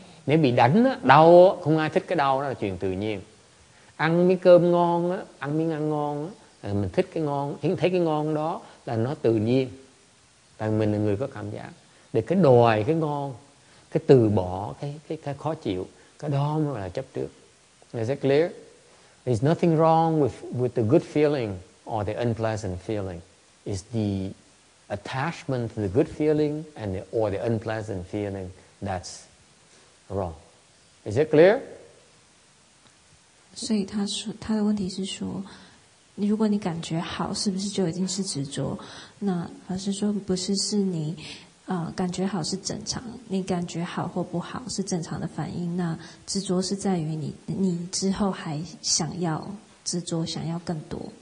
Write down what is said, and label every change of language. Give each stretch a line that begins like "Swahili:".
Vietnamese: Nếu bị đánh, đau, không ai thích cái đau, đó là chuyện tự nhiên. Ăn miếng cơm ngon, ăn miếng ăn ngon, mình thích cái ngon, thấy cái ngon đó là nó tự nhiên. Tại mình là người có cảm giác. Để cái đòi cái ngon, cái từ bỏ, cái khó chịu, cái đó mới là chấp trước.
English: Is that clear? There's nothing wrong with the good feeling or the unpleasant feeling. It's the attachment to the good feeling and the, or the unpleasant feeling that's wrong. Is it clear?
Chinese: 所以他说他的问题是说，如果你感觉好，是不是就已经是执着？那法师说不是，是你感觉好是正常，你感觉好或不好是正常的反应。那执着是在于你之后还想要执着，想要更多。